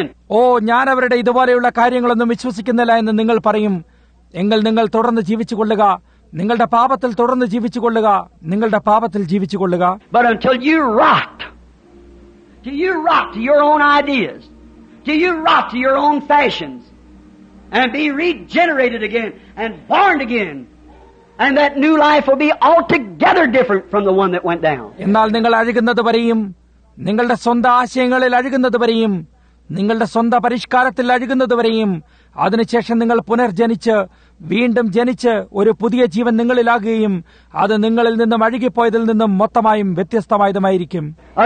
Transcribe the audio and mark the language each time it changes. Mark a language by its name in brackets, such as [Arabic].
[Malayalam] ഓ, ഞാൻ അവരുടെ ഇതുപോലെയുള്ള കാര്യങ്ങളൊന്നും വിശ്വസിക്കുന്നില്ല എന്ന് നിങ്ങൾ പറയും. എങ്കിൽ നിങ്ങൾ തുടർന്ന് ജീവിച്ചുകൊള്ളുക. നിങ്ങളുടെ പാപത്തിൽ തുടർന്ന് ജീവിച്ചു കൊള്ളുക. നിങ്ങളുടെ പാപത്തിൽ ജീവിച്ചു കൊള്ളുക. [English] But until you rot, till you rot to your own ideas, till you rot to your own fashions, and be regenerated again and born again, and that new life will be altogether different from the one that went down. [Malayalam] എന്നാൽ നിങ്ങൾ അഴുകുന്നതുവരെയും നിങ്ങളുടെ സ്വന്തം ആശയങ്ങളിൽ അഴുകുന്നതുവരെയും നിങ്ങളുടെ സ്വന്തം പരിഷ്കാരത്തിൽ അഴുകുന്നതുവരെയും അതിനുശേഷം നിങ്ങൾ പുനർജനിച്ച് വീണ്ടും ജനിച്ച് ഒരു പുതിയ ജീവൻ നിങ്ങളിലാകുകയും അത് നിങ്ങളിൽ നിന്നും അഴുകിപ്പോയതിൽ നിന്നും മൊത്തമായും വ്യത്യസ്തമായതുമായിരിക്കും.